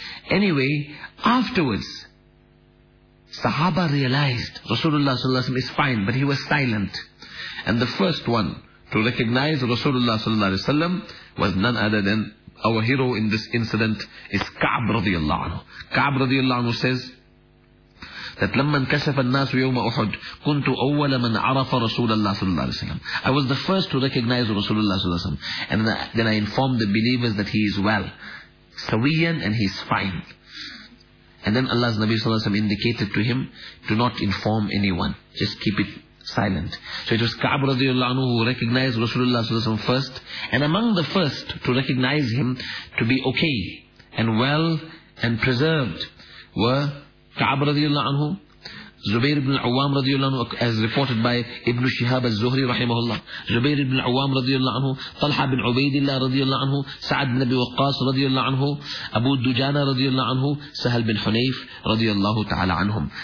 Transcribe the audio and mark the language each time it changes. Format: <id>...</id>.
<en>Anyway, afterwards, Sahaba realized Rasulullah sallallahu alaihi wasallam is fine, but he was silent. And the first one to recognize Rasulullah sallallahu alaihi wasallam was none other than our hero in this incident, is Ka'b radiallahu anhu. Ka'b radiallahu anhu says that</en> <ar>لَمَّا انْكَسَفَ النَّاسُ يَوْمَ أُحُدْ كُنْتُ أَوَّلَ مَنْ عَرَفَ رَسُولَ اللَّهِ صَلَّى اللَّهِ عَلَيْهِ وَسَلَّمَ.</ar> <en>I was the first to recognize Rasulullah</en> <ar>صَلَّى اللَّهِ عَلَيْهِ وَسَلَّمَ.</ar> <en>And then I informed the believers that he is well, sawiyan, and he is fine. And then Allah's Nabi صَلَّى اللَّهِ عَلَيْهِ وَسَلَّمَ indicated to him, do not inform anyone, just keep it silent. So it was Ka'b radiallahu anhu who recognized Rasulullah صَلَّى اللَّهِ عَلَيْهِ وَسَلَّمَ first, and among the first to recognize him to be okay and well and preserved were Ka'ab radiallahu anhu, Zubair ibn al-Awwam radiallahu anhu, as reported by Ibn Shihab al-Zuhri rahimahullah, Zubair ibn al-Awwam radiallahu anhu, Talha bin Ubaidillah radiallahu anhu, Sa'ad bin Abi Waqqas radiallahu anhu, Abu Dujana radiallahu anhu, Sahal bin Hunayf radiallahu ta'ala anhum.</en>